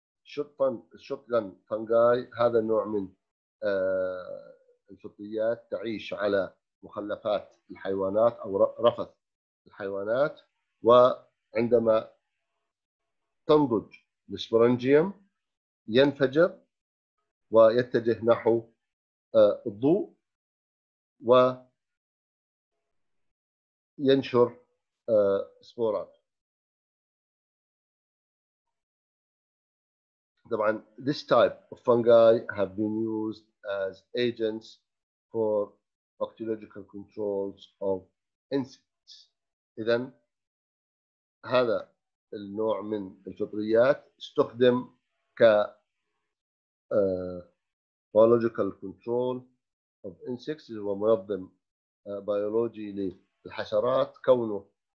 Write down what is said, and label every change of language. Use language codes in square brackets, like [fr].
[ar] شوتغن فنجاي هذا نوع من الفطريات تعيش على مخلفات الحيوانات او رفث الحيوانات، و عندما تنضج السبورانجيوم ينفجر ويتجه نحو الضوء وينشر سبورات. [en] طبعا this type of fungi have been used as agents for bacteriological controls of insects. [ar] إذن هذا النوع من الفطريات استخدم ك [en] biological control of insects، [ar] هو منظم بيولوجي للحشرات، كونه